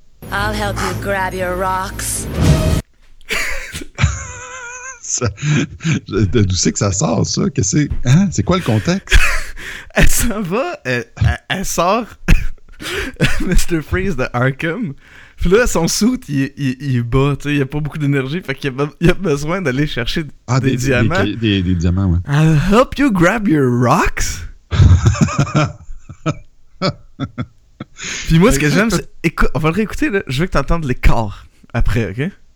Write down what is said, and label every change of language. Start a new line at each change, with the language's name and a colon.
English: I'll help you grab your rocks.
French: Ça, d'où c'est que ça sort, ça? Que c'est, hein? C'est quoi le contexte? Elle s'en va, elle sort Mr. Freeze de Arkham. Puis là, son suit, il est bas, tu sais, il n'y a pas beaucoup d'énergie, fait qu'il a besoin d'aller chercher des diamants. Des diamants, ouais.
English: I'll help you grab your rocks?
French: Puis moi, ce que j'aime, c'est... Écoute, on va le réécouter, là. Je veux que tu entendes les corps après, OK?